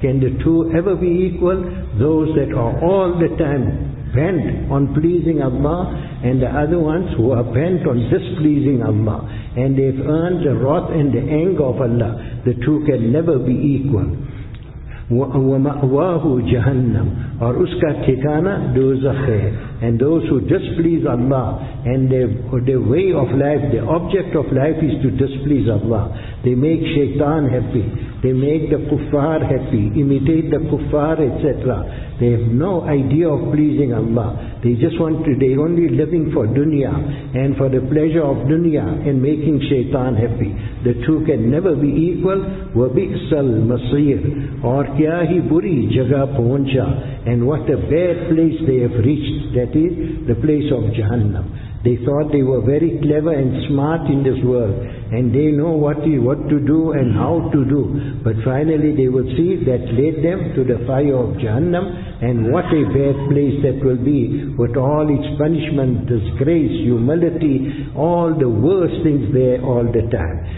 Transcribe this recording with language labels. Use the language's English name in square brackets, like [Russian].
[English] Can the two ever be equal? Those that are all the time bent on pleasing Allah, and the other ones who are bent on displeasing Allah, and they've earned the wrath and the anger of Allah, the two can never be equal. [Arabic] وَمَأْوَاهُ جَهَنَّمْ [Urdu] اور اس کا ٹھکانہ دوزخ ہے. [English] And those who displease Allah, and their way of life, their object of life is to displease Allah. They make shaitan happy. They make the kuffar happy. Imitate the kuffar, etc. They have no idea of pleasing Allah. They just want to, they only living for dunya and for the pleasure of dunya and making shaitan happy. The two can never be equal. [Arabic] وَبِئْسَ الْمَصِيرِ [Urdu] اور کیا ہی بری جگہ پہنچا. [English] And what a bad place they have reached. That is the place of Jahannam. They thought they were very clever and smart in this world, and they know what to do and how to do. But finally they will see that led them to the fire of Jahannam, and what a bad place that will be, with all its punishment, disgrace, humility, all the worst things there all the time.